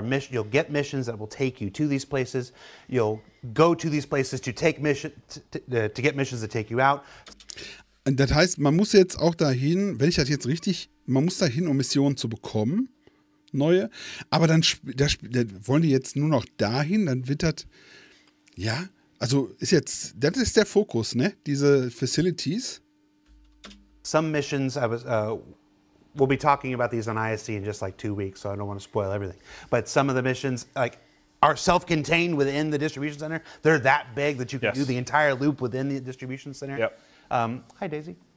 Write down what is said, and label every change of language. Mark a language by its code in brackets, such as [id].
[en] You'll get missions that will take you to these places. You'll go to these places to take mission to get missions that take you out. [de] Das heißt, man muss jetzt auch dahin, wenn ich das jetzt richtig, man muss dahin, um Missionen zu bekommen, neue, aber dann wollen die jetzt nur noch dahin, dann wird das, ja, also ist jetzt, das ist der Fokus, ne, diese Facilities. [en] Some missions, we'll be talking about these on ISC in just like 2 weeks, so I don't want to spoil everything, but some of the missions, like, are self-contained within the distribution center, they're that big that you can yes. do the entire loop within the distribution center. Yep. Hi Daisy.